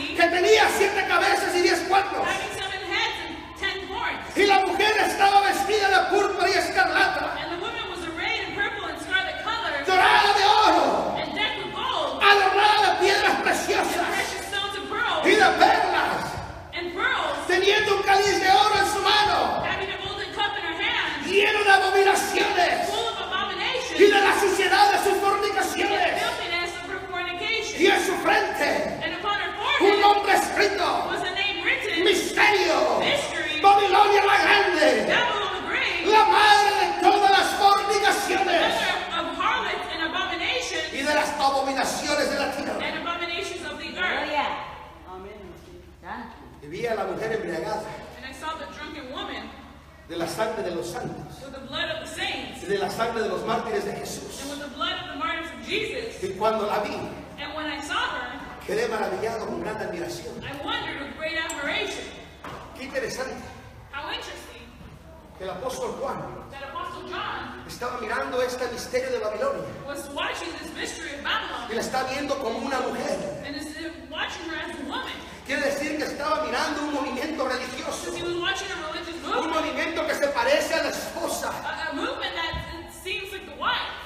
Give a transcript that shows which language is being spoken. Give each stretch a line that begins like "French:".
Spanish: tenía siete cabezas y diez cuernos.
English: Having seven heads and ten horns.
Spanish: Y la mujer estaba vestida de púrpura y escarlata.
English: And the woman was arrayed in purple and scarlet colors.
Spanish: Dorada de oro.
English: And decked with gold.
Spanish: Adornada de piedras preciosas.
English: And precious stones and pearls.
Spanish: Y de perlas.
English: And pearls.
Spanish: Teniendo un cáliz de oro en su mano.
English: Having a golden cup in her hand.
Spanish: Lleno de abominaciones.
English: Full of abominations.
Spanish: Y de la suciedad de sus fornicaciones. Y en su frente,
English: and upon her forehead,
Spanish: un nombre escrito,
English: was a name written,
Spanish: misterio,
English: mystery,
Spanish: Babilonia la grande,
English: Babylon the great,
Spanish: la madre de todas las fornicaciones,
English: mother of harlots and abominations,
Spanish: y de las abominaciones de la tierra,
English: and abominations of the earth. Oh, yeah. Amen.
Spanish: Y vi a la mujer embriagada,
English: and I saw the drunken woman,
Spanish: de la sangre de los santos,
English: with the blood of the saints,
Spanish: y de la sangre de los mártires de Jesús,
English: and with the blood of the martyrs of Jesus.
Spanish: Y cuando la vi,
English: and when I saw her,
Spanish: quedé maravillado con gran admiración.
English: I wondered with great admiration.
Spanish: Qué interesante.
English: How interesting.
Spanish: Que el apóstol Juan,
English: that Apostle John,
Spanish: estaba mirando este misterio de Babilonia.
English: Was watching this mystery of Babylon.
Spanish: Y la está viendo como una mujer.
English: And is watching her as a woman.
Spanish: Quiere decir que estaba mirando un movimiento religioso.
English: He was watching a religious movement.
Spanish: Un movimiento que se parece a la esposa.
English: A movement that seems like the wife.